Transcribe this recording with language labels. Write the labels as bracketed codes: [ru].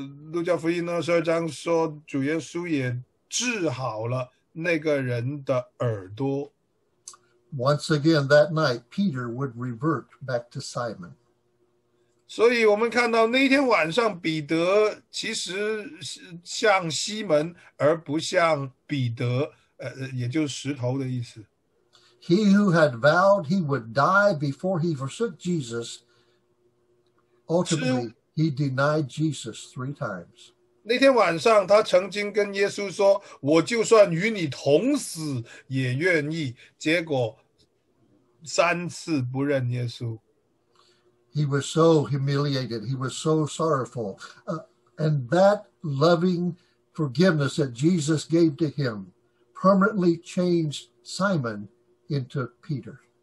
[zh] 路加福音呢，十二章说，主耶稣也治好了那个人的耳朵。 [en] Once again that night, Peter would revert back to Simon. [zh] 所以我们看到那天晚上彼得其实像西门而不像彼得也就是石头的意思。 [en] He who had vowed he would die before he forsook Jesus, ultimately he denied Jesus three times. [zh] 那天晚上他曾经跟耶稣说我就算与你同死也愿意，结果三次不认耶稣。 [en] He was so humiliated, he was so sorrowful, and that loving forgiveness that Jesus gave to him permanently changed Simon into Peter.